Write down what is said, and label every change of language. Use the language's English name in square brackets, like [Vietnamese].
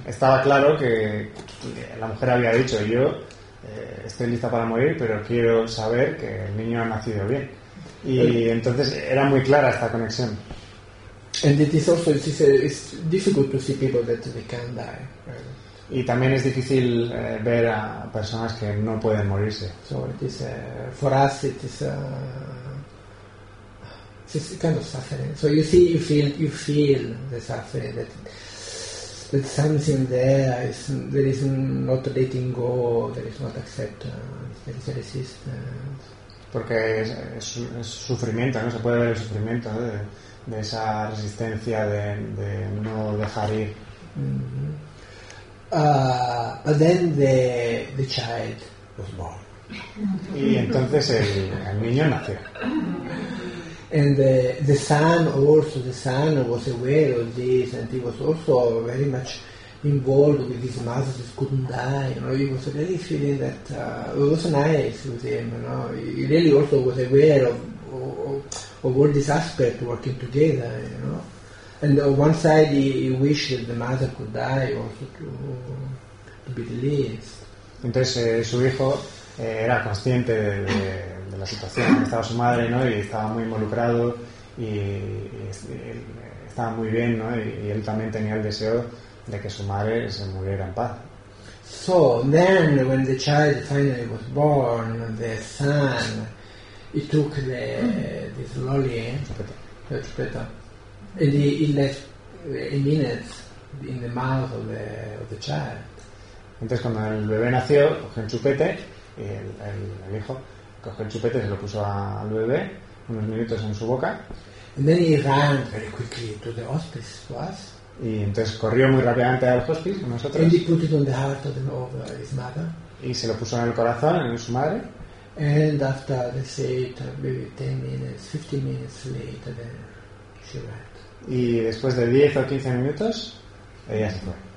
[Spanish] Estaba claro que la mujer había dicho, yo estoy lista para morir, pero quiero saber que el niño ha nacido bien. Y entonces era muy clara esta conexión. [English] And it is also it's difficult to see people that they can die. [Spanish] Y también es difícil ver a personas que no pueden morirse. [English] So it is for us it's kind of suffering. So you feel the suffering that something there is not letting go, there is not acceptance, there is resistance. [Spanish] Porque es sufrimiento, ¿no? Se puede ver el sufrimiento, ¿no? De esa resistencia de no dejar ir. [English] Mm-hmm. But then the child was born. [Spanish] Y entonces el niño nació. [English] And the son was aware of this, and he was also very much involved with his mother that couldn't die. You know, he was really feeling that it was nice with him. You know, he really also was aware of all this aspect working together. You know, and on one side he wished that the mother could die also to be released. [Spanish] Entonces su hijo era consciente de la situación, estaba su madre, ¿no? Y estaba muy involucrado y estaba muy bien, ¿no? Y él también tenía el deseo de que su madre se muriera en paz. [English] So then, when the child finally was born, the son, he took the this lolly, the tripeta, and he left a minute in the mouth of the child. [Spanish] Entonces, cuando el bebé nació, cogió el chupete y el hijo cogió el chupete y se lo puso al bebé unos minutos en su boca. [English] And then he ran very quickly to the hospice to us. [Spanish] Y entonces corrió muy rápidamente al hospice con nosotros. [English] And he put it on the heart of his mother. [Spanish] Y se lo puso en el corazón, en su madre. [English] And after they said maybe 10 minutes, 15 minutes later, then she ran. [Spanish] Y después de 10 o 15 minutos, ella se fue.